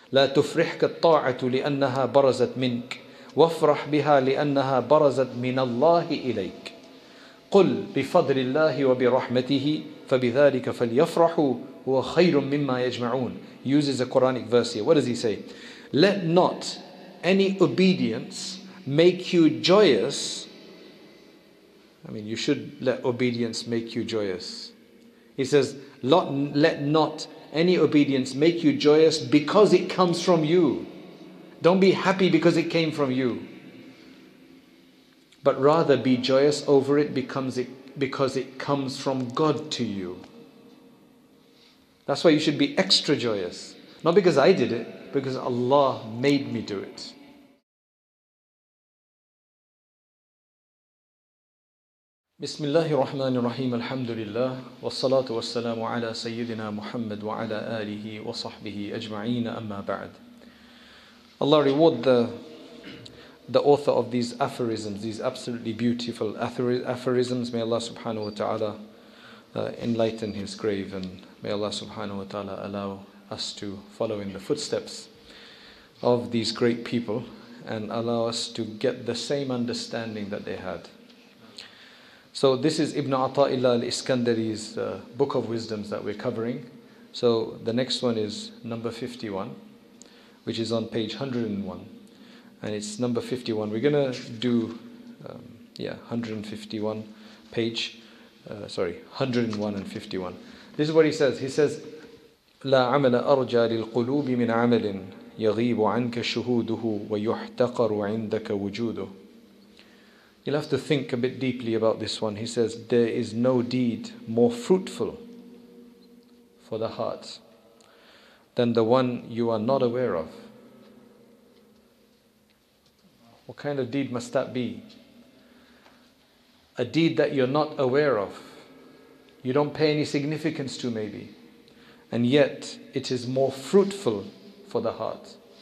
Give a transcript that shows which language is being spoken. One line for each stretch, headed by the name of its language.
Arabic: لا تفرحك الطاعة لأنها برزت منك وافرح بها لأنها برزت من الله إليك قل بفضل الله وبرحمته فبذلك فليفرحوا هو خير مما يجمعون.
English: He uses a Quranic verse here. What does he say? Let not any obedience make you joyous. I mean, you should let obedience make you joyous. He says, let not any obedience make you joyous because it comes from you. Don't be happy because it came from you. But rather be joyous over it because it comes from God to you. That's why you should be extra joyous. Not because I did it, because Allah made me do it.
Arabic: بسم الله الرحمن الرحيم الحمد لله والصلاة والسلام على سيدنا محمد وعلى آله وصحبه أجمعين أما بعد.
English: Allah reward the author of these aphorisms, these absolutely beautiful aphorisms. May Allah subhanahu wa ta'ala enlighten his grave, and may Allah subhanahu wa ta'ala allow us to follow in the footsteps of these great people and allow us to get the same understanding that they had. So this is Ibn Ata'illah al-Iskandari's book of wisdoms that we're covering. So the next one is number 51, which is on page 101. And it's number 51. We're going to do, 151 page, 101 and 51. This is what he says. He says,
Arabic: لَا عَمَلَ أَرْجَى لِلْقُلُوبِ مِنْ عَمَلٍ يَغِيبُ عَنْكَ شُهُودُهُ وَيُحْتَقَرُ عِنْدَكَ وُجُودُهُ.
English: You'll have to think a bit deeply about this one. He says, there is no deed more fruitful for the heart than the one you are not aware of. What kind of deed must that be? A deed that you're not aware of, you don't pay any significance to maybe, and yet it is more fruitful for the heart.